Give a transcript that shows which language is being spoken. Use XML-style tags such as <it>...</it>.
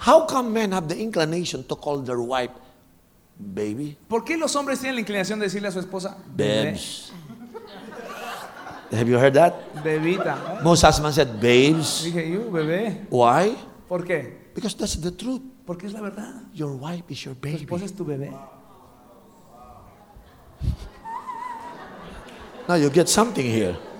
<en>how come men have the inclination to call their wife? Baby.</en> <es>¿Por qué los hombres tienen la inclinación de decirle a su esposa?</es> <en>Babes. Have you heard that?</en> <es>Bebita.</es> <en>Most husbands said babes.</en> <es>Dije yo, bebé.</es> <en>Why?</en> <es>¿Por qué?</es> <en>Because that's the truth.</en> <es>Porque es la verdad.</es> <en>Your wife is your baby.</en> <es>Tu esposa es tu bebé.</es> <en>Now you get something here.</en>